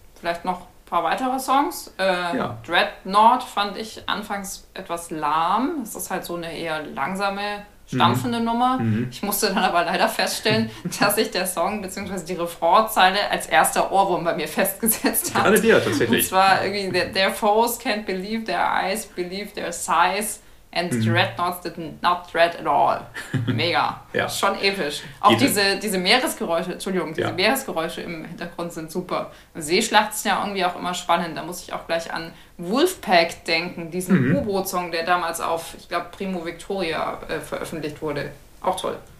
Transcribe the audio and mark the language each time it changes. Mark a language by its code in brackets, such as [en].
[de] Vielleicht noch ein paar weitere Songs. Dreadnought fand ich anfangs etwas lahm. Es ist halt so eine eher langsame, stampfende Nummer. Mhm. Ich musste dann aber leider feststellen, dass sich der Song bzw. die Refrainzeile als erster Ohrwurm bei mir festgesetzt hat. Gerade dir tatsächlich. Und zwar irgendwie, [en] their foes can't believe their eyes believe their size. And Dreadnoughts did not dread at all. [de] Mega. Ja. Schon episch. Auch diese Meeresgeräusche, Meeresgeräusche im Hintergrund sind super. Seeschlacht ist ja irgendwie auch immer spannend. Da muss ich auch gleich an Wolfpack denken, diesen U-Boot-Song, der damals auf, ich glaube, Primo Victoria veröffentlicht wurde. Auch toll.